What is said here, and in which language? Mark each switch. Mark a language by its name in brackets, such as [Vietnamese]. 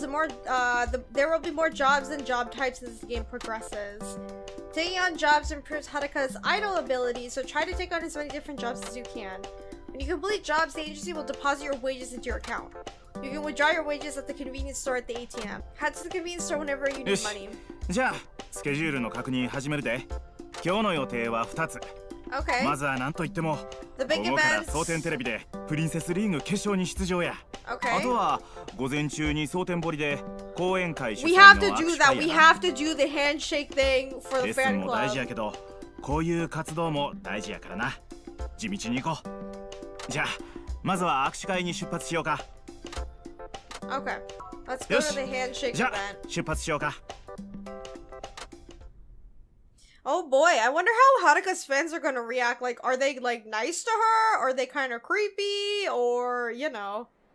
[English] The more, there will be more jobs and job types as the game progresses. Taking on jobs improves Haruka's idol ability, so try to take on as many different jobs as you can. When you complete jobs, the agency will deposit your wages into your account. You can withdraw your wages at the convenience store at the ATM. Head to the convenience store whenever you need money. [Japanese] じゃあ、スケジュールの確認始めるで。今日の予定は2つ。 [English] Okay. [Japanese] まずは何と言っても、午後から蒼天テレビでプリンセスリーグ決勝に出場や。 [English] Okay. [Japanese] あとは午前中に蒼天堀で講演会主催の握手会や。 [English] We have to do that. We have to do the handshake thing for the fan club. [Japanese] レッスンも大事やけど、こういう活動も大事やからな。地道に行こう。じゃあ、まずは握手会に出発しようか。 [English] Okay. Let's go to the handshake event. [Japanese] じゃあ、出発しようか。 [English] Oh boy, I wonder how Haruka's fans are gonna react. Like, are they like nice to her? Or are they kind of creepy? Or, you know.